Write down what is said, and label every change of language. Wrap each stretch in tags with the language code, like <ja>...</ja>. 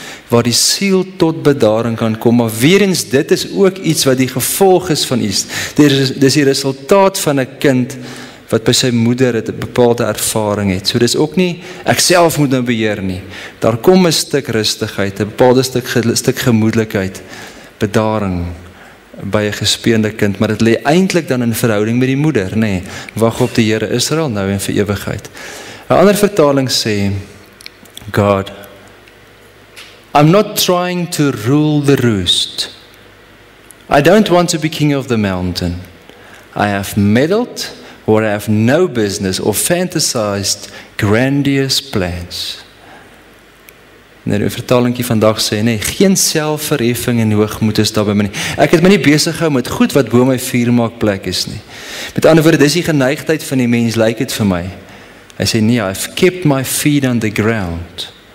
<af>waar die siel tot bedaring kan kom, maar weer eens, dit is ook iets wat die gevolg is van iets, dit is die resultaat van 'n kind, wat by sy moeder het, 'n bepaalde ervaring het, so dit is ook nie, ek self moet nou beheer nie, daar kom 'n stuk rustigheid, 'n bepaalde stuk gemoedelikheid, bedaring, by 'n gespeende kind, maar dit lê eintlik dan in verhouding met die moeder, nee, wag op die Here Israel nou en vir ewigheid. 'N ander vertaling sê,</af> <en>God, I'm not trying to rule the roost. I don't want to be king of the mountain. I have meddled where I have no business or fantasized grandiose plans.</en> <af>Net 'n vertalingkie vandag sê, nee, geen selfverheffing en hoogmoed is daar by my nie. Ek het my nie besig gehou met goed wat bo my vuur maak plek is nie. Met ander woorde, dis die geneigtheid van die mens, lyk het vir my. Hy sê, nee,</af> <en>I've kept my feet on the ground.</en>